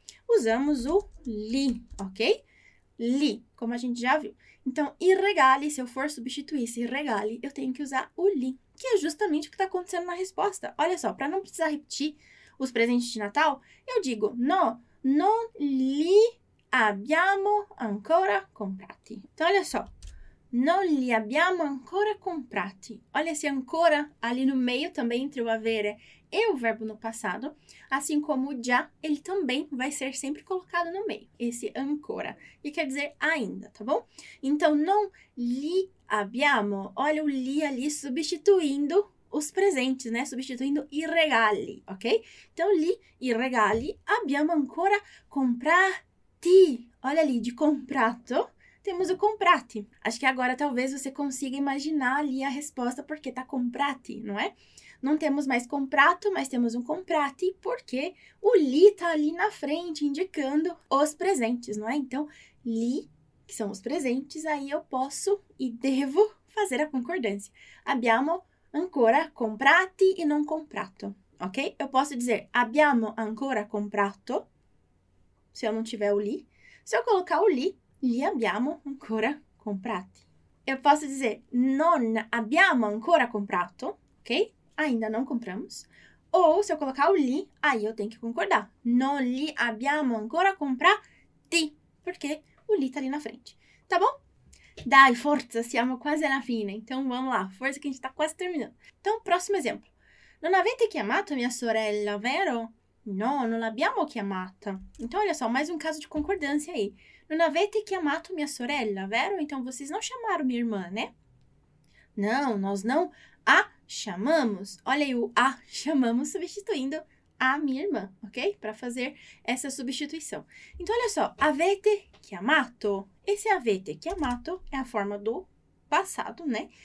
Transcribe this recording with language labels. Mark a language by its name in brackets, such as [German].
[Portuguese] Usamos o li, ok? Li, como a gente já viu. Então, i regali, se eu for substituir esse regali, eu tenho que usar o li, que é justamente o que está acontecendo na resposta. Olha só, para não precisar repetir os presentes de Natal, eu digo: [Italian] No, non li abbiamo ancora comprati. [Portuguese] Então, olha só, [Italian] non li abbiamo ancora comprati. [Portuguese] Olha esse ancora ali no meio também entre o avere e o verbo no passado. Assim como o già, ele também vai ser sempre colocado no meio, esse ancora, e quer dizer ainda, tá bom? Então, [Italian] non li abbiamo, [Portuguese] olha o li ali substituindo os presentes, né? Substituindo i regali, ok? [Italian] Então, li i regali abbiamo ancora comprati. [Portuguese] Olha ali, de comprato, temos o comprati. Acho que agora talvez você consiga imaginar ali a resposta porque tá comprati, não é? Não temos mais comprato, mas temos um comprati porque o li tá ali na frente indicando os presentes, não é? Então, li, que são os presentes, aí eu posso e devo fazer a concordância. [Italian] Abbiamo ancora comprati e non comprato, ok? [Portuguese] Eu posso dizer [Italian] abbiamo ancora comprato, [Portuguese] se eu não tiver o li. Se eu colocar o [Italian] li abbiamo ancora comprati. [Portuguese] Eu posso dizer [Italian] non abbiamo ancora comprato, [Portuguese] ok? Ainda não compramos. Ou se eu colocar o li, aí eu tenho que concordar. [Italian] Non li abbiamo ancora comprati, [Portuguese] porque o li tá ali na frente. Tá bom? [Italian] Dai, forza, siamo quasi alla fine. [Portuguese] Então vamos lá, força que a gente tá quasi terminando. Então, próximo exemplo. [Italian] Non avete chiamato mia sorella, vero? No, non l'abbiamo chiamata. [Portuguese] Então, olha só, mais um caso de concordância aí. [Italian] Non avete chiamato mia sorella, vero? [Portuguese] Então, vocês não chamaram minha irmã, né? Não, nós não a chamamos. Olha aí o a chamamos substituindo a minha irmã, ok? Para fazer essa substituição. Então, olha só, [Italian] avete chiamato. [Portuguese] Esse [Italian] avete chiamato [Portuguese] é a forma do passado, né?